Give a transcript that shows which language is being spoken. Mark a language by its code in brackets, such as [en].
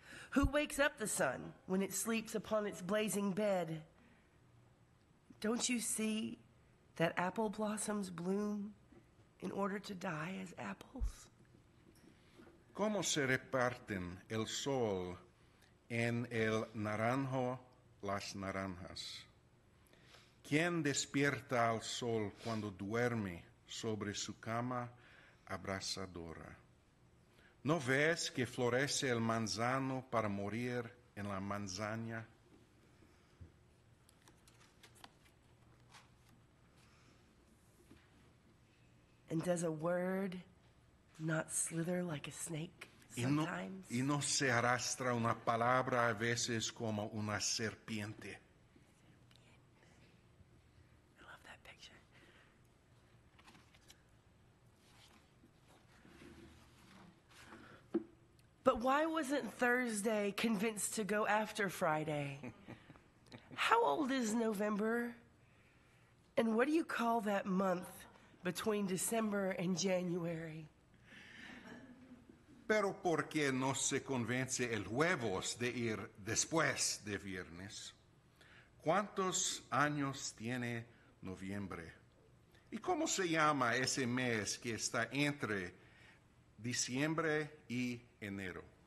[en] Who wakes up the sun when it sleeps upon its blazing bed? Don't you see that apple blossoms bloom in order to die as apples? [es] ¿Cómo se reparten el sol en el naranjo las naranjas? ¿Quién despierta al sol cuando duerme sobre su cama abrazadora? ¿No ves que florece el manzano para morir en la manzana? [en] And does a word not slither like a snake? sometimes. [es] Y no se arrastra una palabra a veces como una serpiente. [en] I love that picture. But why wasn't Thursday convinced to go after Friday? How old is November? And what do you call that month between December and January? [es] Pero por qué no se convence el jueves de ir después de viernes? ¿Cuántos años tiene noviembre? ¿Y cómo se llama ese mes que está entre diciembre y enero?